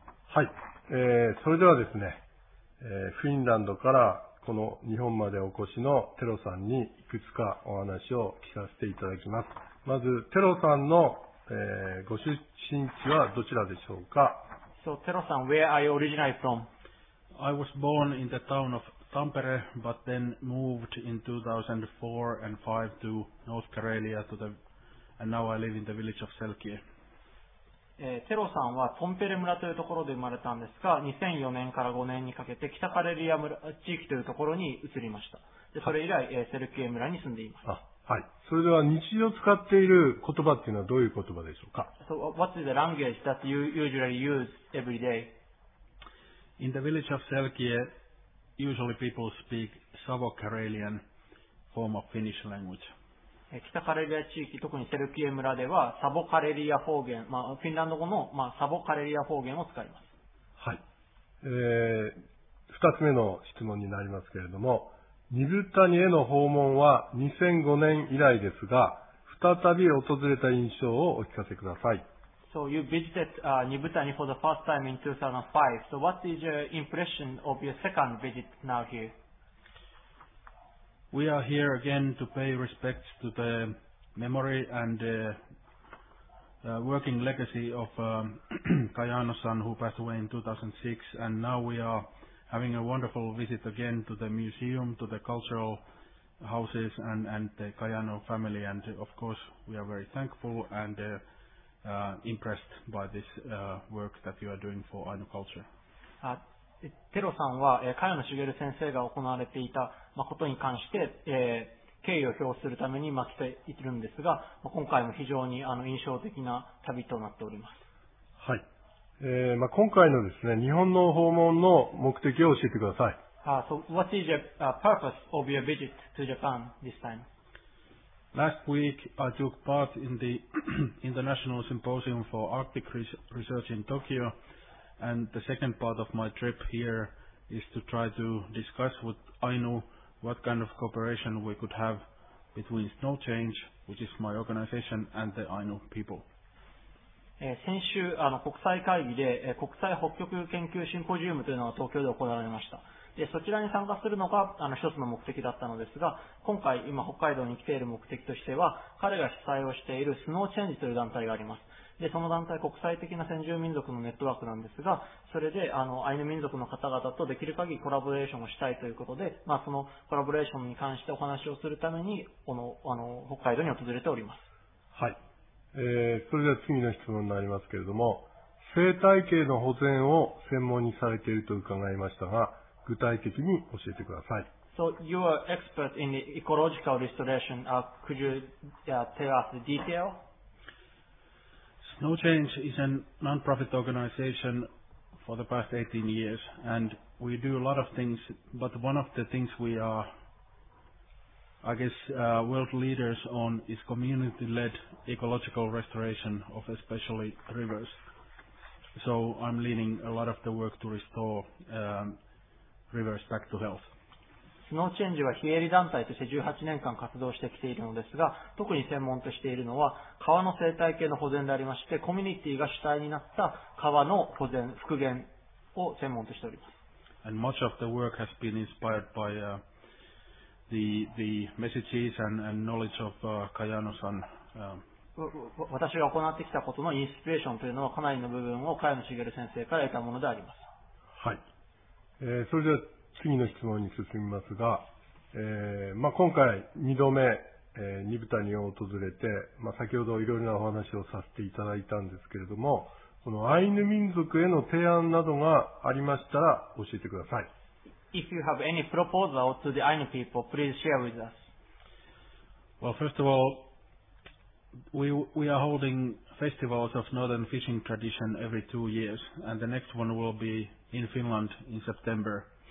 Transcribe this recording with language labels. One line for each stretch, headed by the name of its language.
Japanese: はい、それではですね、フィンランドからこの日本までお越しのテロさんにいくつかお話を聞かせていただきます。まず、テロさんの、ご出身地はどちらでしょうか。
English: So, Tero san, where are you originally from? I was born in the town of Tampere, but then moved in 2004 and 5 to North Karelia, and now I live in the village of Selkie.
Japanese: Tero san は Tampere 村というところで生まれたんですが、2004年から5年にかけて北カレリア村地域というところに移りました。で、それ以来、Selkie 村に住んでいます。はい、それでは日常使っている言葉っていうのはどういう言葉でしょうか。
English: So what is the language that you usually use every day? In the village of Selkie, usually people speak Savo-Karelian form of Finnish language.
Japanese: 北カレリア地域、特にセルキエ村ではサボカレリア方言、まあ、フィンランド語の、まあ、サボカレリア方言を使います。はい、2つ目の質問になりますけれども、ニブタニへの訪問は2005年以来ですが、再び訪れた印象をお聞かせください。
English: So you visited Nibutani for the first time in 2005. So what is your impression of your second visit now here? We are here again to pay respect to the memory and working legacy of Kayano-san who passed away in 2006. And now we are having a wonderful visit again to the museum, to the cultural houses and the Kayano family, and of course we are very thankful and impressed by this work that you are doing for Ainu culture.
Japanese: テロさんは、茅野茂先生が行われていた、ま、ことに関して、敬意を表するために、ま、来ているんですが、ま、今回も非常に印象的な旅となっております。はい、ま、今回のですね、日本の訪問の目的を教えてください。
English: So what is the purpose of your visit to Japan this time? Last week, I took part in the International Symposium for Arctic Research in Tokyo, and the second part of my trip here is to try to discuss with Ainu what kind of cooperation we could have between Snow Change, which is my organization, and the Ainu people.
Japanese: 先週、国際会議で、国際北極研究シンポジウムというのが東京で行われました。でそちらに参加するのが一つの目的だったのですが、今回今北海道に来ている目的としては、彼が主催をしているスノーチェンジという団体があります。でその団体、国際的な先住民族のネットワークなんですが、それでアイヌ民族の方々とできる限りコラボレーションをしたいということで、まあ、そのコラボレーションに関してお話をするためにこの北海道に訪れております。はい、それでは次の質問になりますけれども、生態系の保全を専門にされていると伺いましたが、具体的に教えてください。
English: So you are expert in the ecological restoration. Could you tell us the detail? Snow Change is a non-profit organization for the past 18 years, and we do a lot of things. But one of the things we are, I guess, world leaders on is community-led ecological restoration of especially rivers. So I'm leading a lot of the work to restore. Reverse back to health.
Japanese: スノーチェンジは非営利団体として18年間活動してきているのですが、特に専門としているのは川の生態系の保全でありまして、コミュニティが主体になった川の保全復元を専門としております。
English: And much of the work has been inspired by the messages and knowledge of Kayano-san.
Japanese: 私が行ってきたことのインスピレーションというのはかなりの部分を茅野茂先生から得たものであります。はい、それでは次の質問に進みますが、まあ、今回2度目、ニブタニを訪れて、まあ、先ほどいろいろなお話をさせていただいたんですけれども、このアイヌ民族への提案などがありましたら教えてください。
English: If you have any proposal to the Ainu people, please share with us. Well, first of all, we are holding festivals of northern fishing tradition every 2 years, and the next one will be in Finland in September.